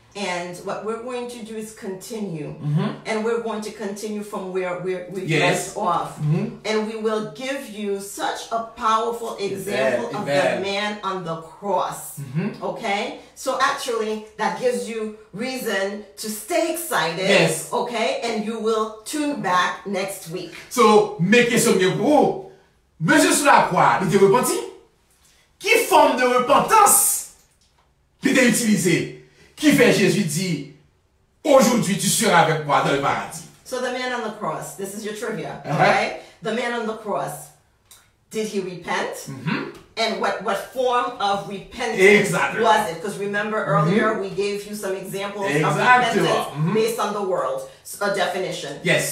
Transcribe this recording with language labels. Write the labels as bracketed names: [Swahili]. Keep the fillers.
[English] and what we're going to do is continue mm -hmm. and we're going to continue from where we're, left we yes. off mm -hmm. and we will give you such a powerful example Bebe, of Amen. the man on the cross mm -hmm. okay so actually that gives you reason to stay excited yes okay and you will tune back next week so make it some [French] Mais sur la croix, il était repenti. Quelle of de repentance il était utilisée qui fait Jésus dit aujourd'hui tu seras avec moi dans le paradis. [English] So the man on the cross, this is your trivia, uh -huh. okay? The man on the cross, did he repent? Mm -hmm. And what what form of repentance Exactement. was it? Because remember mm -hmm. earlier we gave you some examples Exactement. of repentance mm -hmm. based on the world so, a definition. Yes.